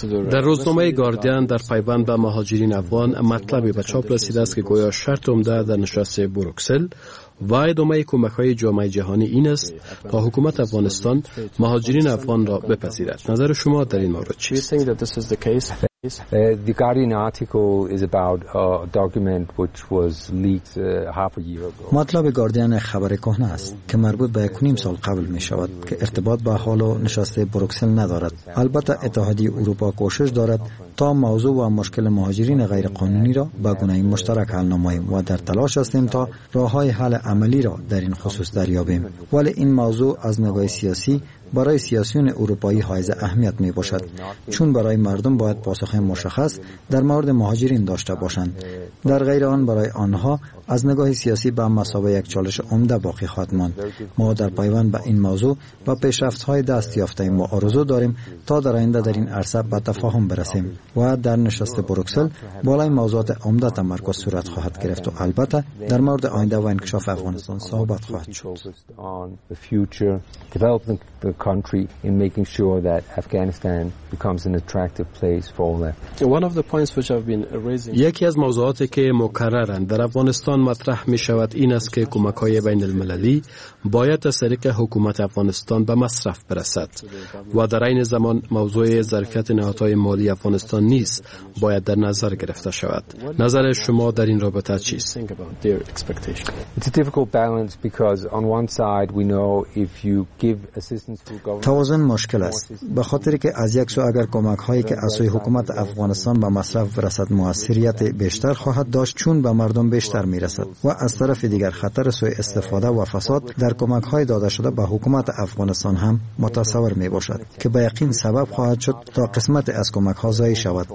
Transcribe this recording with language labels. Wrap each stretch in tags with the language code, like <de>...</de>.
<fa>در روزنامه گاردین در پیوند با مهاجرین افغان مطلبی به چاپ رسیده است که گویا شرط عمده در نشست بروکسل و ادامه کمک های جامعه جهانی این است تا حکومت افغانستان مهاجرین افغان را بپذیرد. نظر شما در این مورد چیست؟</fa> <en>The Guardian article is about a document which was leaked half a year ago.</en> <fa>مطلب گاردین خبر کهنه است که مربوط به 1.5 سال قبل می شود که ارتباط به حال و نشست بروکسل ندارد. البته اتحادیه اروپا کوشش دارد تا موضوع و مشکل مهاجرین غیر قانونی را به گونه مشترک حل نماییم و در تلاش هستیم تا راه های حل عملی را در این خصوص دریابیم، ولی این موضوع از نگاه سیاسی برای سیاسیون اروپایی حائز اهمیت می باشد، چون برای مردم باید پاسخ مشخص در مورد مهاجرین داشته باشند. در غیر آن برای آنها از نگاه سیاسی به مسابقه یک چالش عمده باقی خواهد ماند. ما در پیوند به این موضوع و پیشرفت های دست یافتیم و آرزو داریم تا در آینده در این عرصه به تفاهم برسیم و در نشست بروکسل بالای موضوعات عمده تمرکز صورت خواهد گرفت و البته در مورد آینده و انکشاف افغانستان صحبت خواهد شد.</fa> <en>country in making sure that Afghanistan becomes an attractive place for all that. One of the points which have been raising.</en> <fa>یکی از موضوعاتی که مکررن در افغانستان مطرح می شود این است که کمک‌های بین المللی باید از طریق حکومت افغانستان به مصرف برسد و در این زمان موضوع ظرفیت نهادهای مالی افغانستان نیز باید در نظر گرفته شود. نظر شما در این رابطه چیست؟</fa> <en>It's a difficult balance because on one side we know if you give assistance to government</en> <fa>توازن مشکل است به خاطر که از یک سو اگر کمک‌هایی که از سوی حکومت افغانستان به مصرف برسد موثریت بیشتر خواهد داشت چون به مردم بیشتر میرسد و از طرف دیگر خطر سوء استفاده و فساد در کمک‌های داده شده به حکومت افغانستان هم متصور میباشد که به یقین سبب خواهد شد تا قسمت از کمک‌ها ضایع شود.</fa>